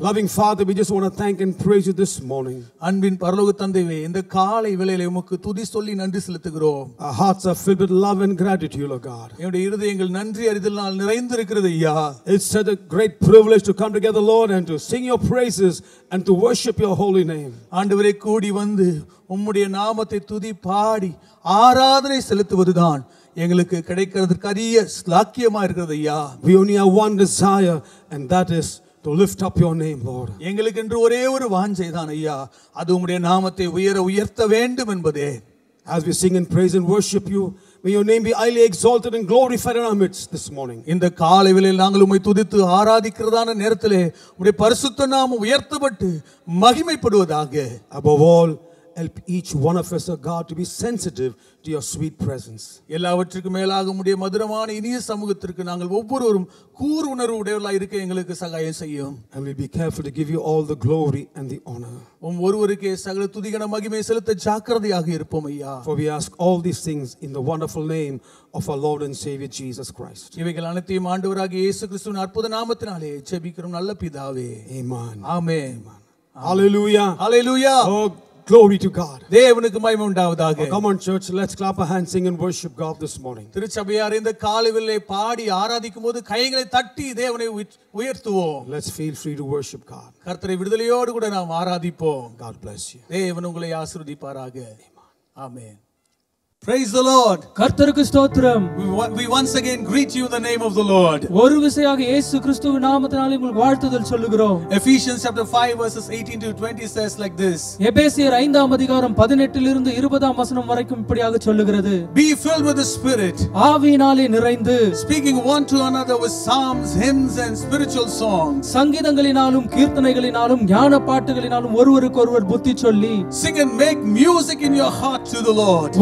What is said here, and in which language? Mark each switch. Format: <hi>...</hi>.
<en>Loving Father, we just want to thank and praise you this morning.</en> <ta>அன்பின் பரலோக தந்தையே, இந்த காலை வேளையிலே உமக்கு துதி சொல்லி நன்றி செலுத்துகிறோம்.</ta> <en>Our hearts are filled with love and gratitude, O God.</en> <ta>எங்களுடைய இருதயங்கள் நன்றி அறிதலால் நிறைந்திருக்கிறது ஐயா.</ta> <en>It's such a great privilege to come together, Lord, and to sing your praises and to worship your holy name.</en> <ta>ஆண்டவரே, கூடி வந்து உம்முடைய நாமத்தை துதி பாடி ஆராதனை செலுத்துவதுதான் எங்களுக்கு கிடைக்கிறதுக்கு அரிய சாக்கியமா இருக்கிறது ஐயா.</ta> <en>We only have one desire and that is to lift up your name Lord.</en> <ta>எங்களுக்கு என்று ஒரே ஒரு வாஞ்சை தான் ஐயா, அது உம்முடைய நாமத்தை உயர உயர்த்த வேண்டும் என்பதே.</ta> <en>As we sing and praise and worship you, may your name be highly exalted and glorified in our midst this morning.</en> <ta>இந்த காலையிலே நாங்கள் உம்மை துதித்து ஆராதிக்கிறதான நேரத்திலே உம்முடைய பரிசுத்த நாமம் உயர்த்தப்பட்டு மகிமைப்படுவதாக.</ta> <en>Above all, help each one of us, O God, to be sensitive to your sweet presence.</en> <ta>எல்லாவற்றுக்கும் மேலாக உம்முடைய மதுரமான இனிய சமூகத்திற்கு நாங்கள் ஒவ்வொருவரும் கூர் உணர்வு உடையவர்களாய் இருக்க எங்களுக்கு சகாயம் செய்யும்.</ta> <en>And we'll be careful to give you all the glory and the honor.</en> <ta>உம் ஒவ்வொருவருக்கே சகல துதி கன மகிமை செலுத்த ஜாக்கிரதையாக இருப்போம் ஐயா.</ta> <en>For we ask all these things in the wonderful name of our Lord and Savior Jesus Christ.</en> <ta>இவைகள் அனைத்தையும் ஆண்டவராகிய இயேசு கிறிஸ்துவின் அற்புத நாமத்தினாலே ஜெபிக்கிறோம் நல்ல பிதாவே. ஆமென். ஆமென். ஹalleluya. ஹalleluya.</ta> <en>Oh Glory to God.</en> <ta>தேவனுக்கு மகிமை உண்டாவதாக.</ta> <en>Come on church, let's clap our hands, sing and worship God this morning.</en> <ta>திருச்சபையார் இந்த காலையிலே பாடி ஆராதிக்கும்போது கைகளை தட்டி தேவனை உயர்த்துவோம்.</ta> <en>Let's feel free to worship God.</en> <ta>கர்த்தரை விடுதலையோடு கூட நாம் ஆராதிப்போம்.</ta> <en>God bless you.</en> <ta>தேவன் உங்களை ஆசீர்வதிப்பாராக.</ta> <en>Amen. Praise the Lord.</en> <ta>கர்த்தருக்கு ஸ்தோத்திரம்.</ta> <en>We once again greet you in the name of the Lord.</en> <ta>ஒரு விசையாக இயேசு கிறிஸ்துவின் நாமத்தினாலே உங்களுக்கு வாழ்த்துதல் சொல்லுகிறோம்.</ta> <en>Ephesians chapter 5 verses 18 to 20 says like this.</en> <ta>எபேசியர் 5 அதிகாரம் 18 இருந்து 20 வசனம் வரைக்கும் இப்படியாக சொல்லுகிறது.</ta> <en>Be filled with the Spirit.</en> <ta>ஆவியினாலே நிறைந்து.</ta> <en>Speaking one to another with psalms, hymns and spiritual songs.</en> <ta>சங்கீதங்களினாலும் கீர்த்தனைகளினாலும் ஞான பாட்டுகளினாலும் ஒருவருக்கொருவர் புத்தி சொல்லி.</ta> <en>Sing and make music in your heart to the Lord.</en>